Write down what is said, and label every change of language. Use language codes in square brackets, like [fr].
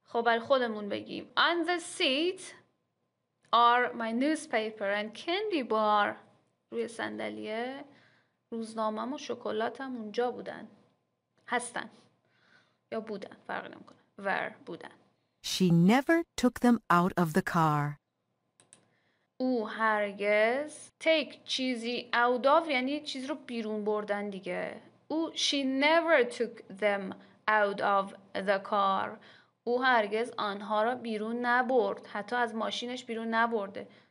[fa] خب برای خودمون بگیم [en] On the seat are my newspaper and candy bar. [fa] روی صندلی روزنامه‌م و شکلاتم اونجا بودن هستن یا بودن فرق نمی‌کنه [en] where [fa] بودن. [en] She never took them out of the car. [fa] او هرگز [en] take [fa] چیزی [en] out of [fa] یعنی چیز رو بیرون بردن دیگه. او [en] she never took them out of the car. [fa] او هرگز آنها را بیرون نبرد. حتی از ماشینش بیرون نبرده.